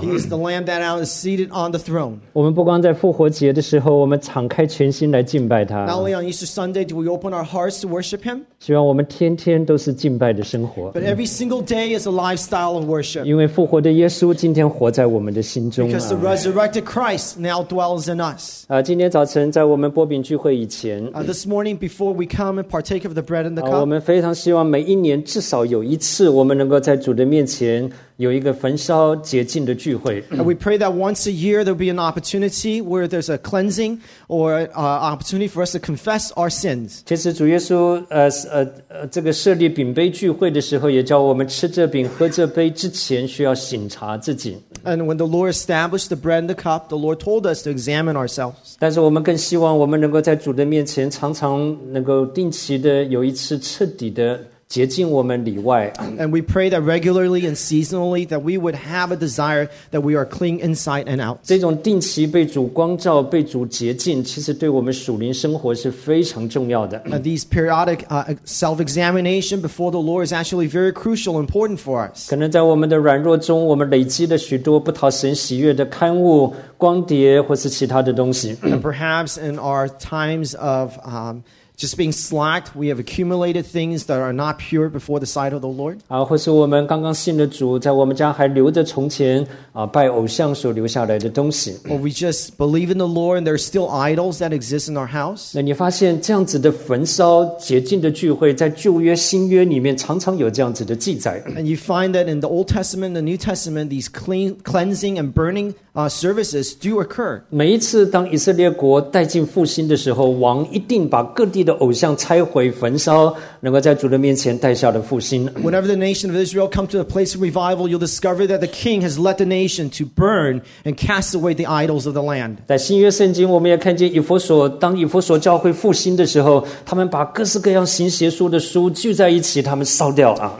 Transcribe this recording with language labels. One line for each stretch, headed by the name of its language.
English: He is the lamb that now is seated on the throne.
Chinese: 我们不光在复活节的时候，我们敞开全心来敬拜他。
English: Not only on Easter Sunday do we open our hearts to worship him.
Chinese: 希望我们天天都是敬拜的生活。
English: But every single day is a lifestyle of worship.
Chinese: 因为复活的耶稣今天活在我们的心中。
English: Because the resurrected Christ now dwells in us.
Chinese: 今天早晨在我们擘饼聚会以前。
English: This morning, before we come and partake of the bread and the cup,
Chinese: 我们非常希望每一年至少有一次，我们能够在主的面前有一个焚烧洁净的聚会。
English: And we pray that once a year there will be an opportunity where there's a cleansing or opportunity for us to confess our sins.
Chinese: 其实主耶稣这个设立饼杯聚会的时候，也叫我们吃这饼喝这杯之前需要省察自己。
English: And when the Lord established the bread and the cup, the Lord told us to examine ourselves.
Chinese: 但是我们更希望我们能够在主的面前常常能够定期的有一次彻底的洁净我们里外。
English: And we pray that regularly and seasonally that we would have a desire that we are clean inside and out.
Chinese: 这种定期被主光照被主洁净其实对我们属灵生活是非常重要的。
English: And these periodic self-examination before the Lord is actually very crucial and important for us.
Chinese: 可能在我们的软弱中我们累积了许多不讨神喜悦的刊物光碟或是其他的东西。
English: And perhaps in our times of just being slacked, we have accumulated things that are not pure before the sight of the Lord.
Chinese: 或是我们刚刚信了主，在我们家还留着从前拜偶像所留下来的东西。
English: Or we just believe in the Lord and there are still idols that exist in our house.
Chinese: 那你发现这样子的焚烧洁净的聚会，在旧约、新约里面常常有这样子的记载。
English: And you find that in the Old Testament and the New Testament, these cleansing and burning services do occur.
Chinese: 每一次当以色列国带进复兴的时候，王一定把各地的偶像拆毁焚烧，能够在主的面前带下的复兴。
English: Whenever the nation of Israel comes to a place of revival, you'll discover that the king has led the nation to burn and cast away the idols of the land.
Chinese: 在新约圣经，我们也看见以弗所，当以弗所教会复兴的时候，他们把各式各样行邪术的书聚在一起，他们烧掉啊。